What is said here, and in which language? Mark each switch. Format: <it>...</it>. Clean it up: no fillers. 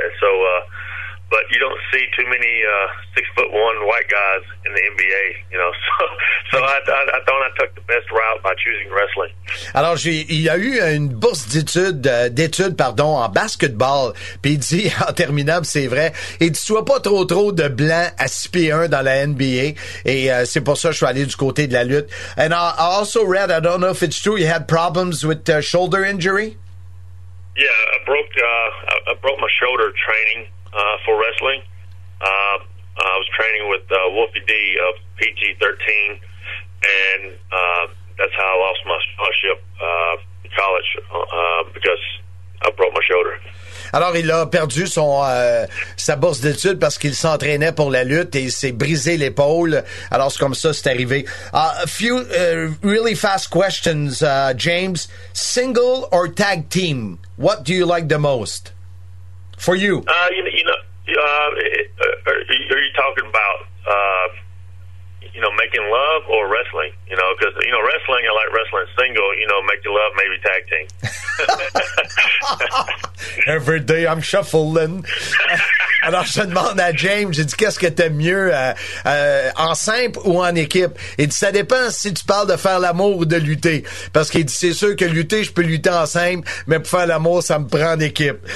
<en>And so, but you don't see too many 6'1" white guys in the NBA, you know. So I thought I took the best route by choosing wrestling.</en> <fr>Alors, il y a eu une bourse d'études, en basketball. Puis il dit, en terminant, c'est vrai, il dit, sois pas trop de blanc à 6'1" dans la NBA. Et c'est pour ça que je suis allé du côté de la lutte.</fr> <en>And I also read, I don't know if it's true, you had problems with shoulder injury? Yeah, I broke my shoulder training. For wrestling, I was training with Wolfie D of PG-13, and that's how I lost my scholarship to college because I broke my shoulder.</en> <fr>Alors, il a perdu sa bourse d'études parce qu'il s'entraînait pour la lutte et il s'est brisé l'épaule. Alors, c'est comme ça, c'est arrivé.</fr> <en>A few really fast questions, James. Single or tag team? What do you like the most? For you? Are you talking about, you know, making love or wrestling? You know, because, you know, wrestling, I like wrestling single, you know, make you love, maybe tag team. Every day I'm shuffling.</en> <fr>Alors, je demande à James, je dis, qu'est-ce que t'aimes mieux, en simple ou en équipe? Il dit, ça dépend si tu parles de faire l'amour ou de lutter. Parce qu'il dit, c'est sûr que lutter, je peux lutter en simple, mais pour faire l'amour, ça me prend en équipe.</fr>